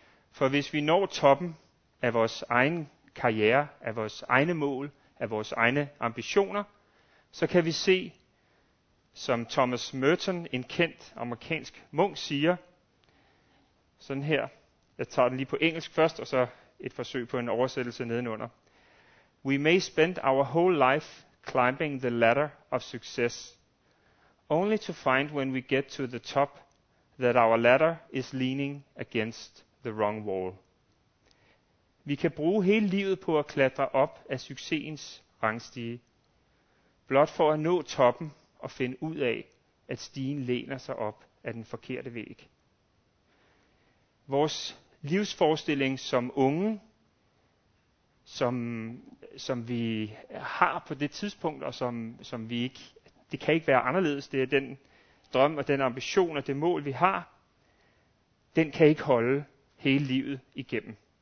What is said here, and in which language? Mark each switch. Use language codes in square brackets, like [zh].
[da] For hvis vi når toppen af vores egen karriere, af vores egne mål, af vores egne ambitioner, så kan vi se, som Thomas Merton, en kendt amerikansk munk, siger, sådan her, jeg tager den lige på engelsk først, og så et forsøg på en oversættelse nedenunder. [en] We may spend our whole life climbing the ladder of success, only to find when we get to the top that our ladder is leaning against the wrong wall. [da] Vi kan bruge hele livet på at klatre op af succesens rangstige, blot for at nå toppen og finde ud af, at stigen læner sig op af den forkerte væg. Vores livsforestilling som unge, som vi har på det tidspunkt, og som vi ikke, det kan ikke være anderledes, det er den drøm og den ambition og det mål, vi har, den kan ikke holde hele livet igennem.